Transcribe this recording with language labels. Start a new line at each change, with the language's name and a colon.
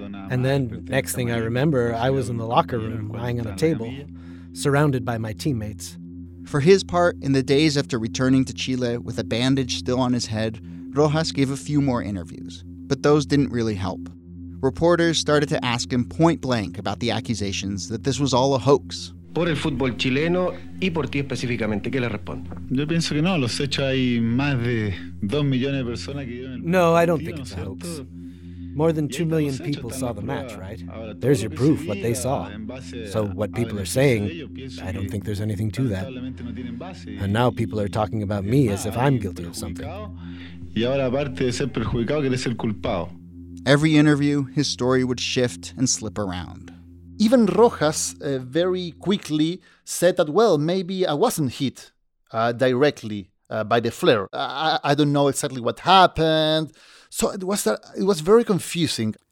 English: And then, next thing I remember, I was in the locker room, lying on a table, surrounded by my teammates. For his part, in the days after returning to Chile with a bandage still on his head, Rojas gave a few more interviews. But those didn't really help. Reporters started to ask him point blank about the accusations that this was all a hoax.
Spanish: Por el fútbol chileno y por ti específicamente, ¿qué le responde? Yo pienso que no, los hechos hay más de 2 millones de personas que viven.
English: No, I don't think it's a hoax. More than 2 million people saw the match, right? There's your proof, what they saw. So what people are saying, I don't think there's anything to that. And now people are talking about me as if I'm guilty of something.
Spanish: Y ahora aparte de ser perjudicado, quiere ser culpado.
English: Every interview, his story would shift and slip around. Even Rojas very quickly said that, well, maybe I wasn't hit directly by the flare. I don't know exactly what happened. So it was very confusing.